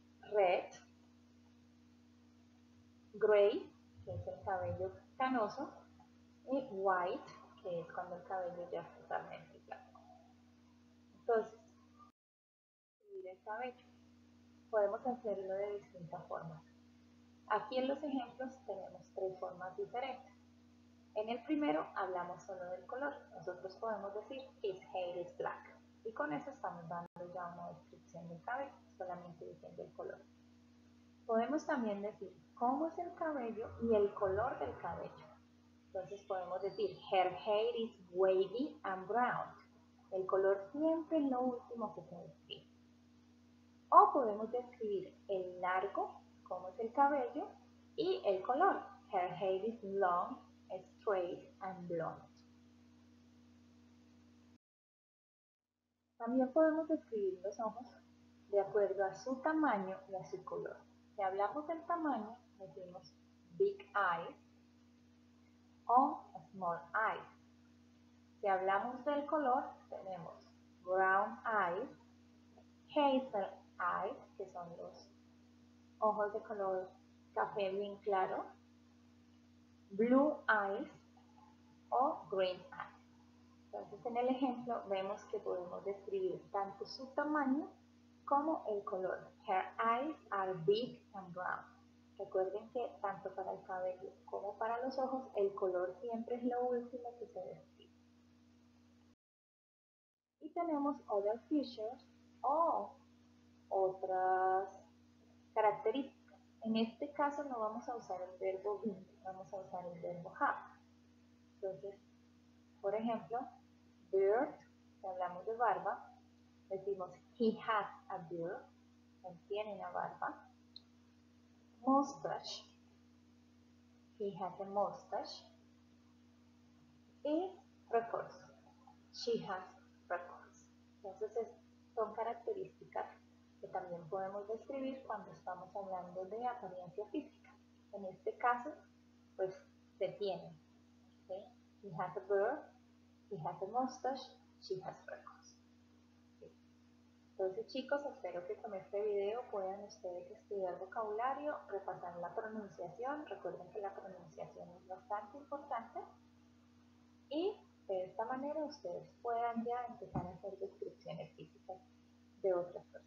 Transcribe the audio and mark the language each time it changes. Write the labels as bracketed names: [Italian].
[Spanish] Red, gray, que es el cabello canoso, y white, que es cuando el cabello ya es totalmente. Entonces, el cabello podemos hacerlo de distintas formas. Aquí en los ejemplos tenemos tres formas diferentes. En el primero hablamos solo del color. Nosotros podemos decir, [English] his hair is black. [Spanish] Y con eso estamos dando ya una descripción del cabello, solamente diciendo el color. Podemos también decir cómo es el cabello y el color del cabello. Entonces podemos decir, [English] her hair is wavy and brown. [Spanish] El color siempre es lo último que se describe. O podemos describir el largo, como es el cabello, y el color. [English] Her hair is long, straight and blonde. [Spanish] También podemos describir los ojos de acuerdo a su tamaño y a su color. Si hablamos del tamaño, decimos big eyes o small eyes. Si hablamos del color, tenemos brown eyes, hazel eyes, que son los ojos de color café bien claro, blue eyes o green eyes. Entonces, en el ejemplo vemos que podemos describir tanto su tamaño como el color. [English] Her eyes are big and brown. [Spanish] Recuerden que tanto para el cabello como para los ojos, el color siempre es lo último que se describe. Y tenemos other features o otras características. En este caso no vamos a usar el verbo be, vamos a usar el verbo have. Entonces, por ejemplo, beard, si hablamos de barba, decimos [English] he has a beard, [Spanish] él tiene una barba. [English] Mustache, he has a mustache. Y freckles, she has freckles. [Spanish] Entonces, son características que también podemos describir cuando estamos hablando de apariencia física. En este caso, pues se tiene. ¿Sí? [English] He has a beard, he has a mustache, she has freckles. [Spanish] Entonces, chicos, espero que con este video puedan ustedes estudiar vocabulario, repasar la pronunciación. Recuerden que la pronunciación es bastante importante. Y de esta manera ustedes puedan ya empezar a hacer descripciones físicas de otras.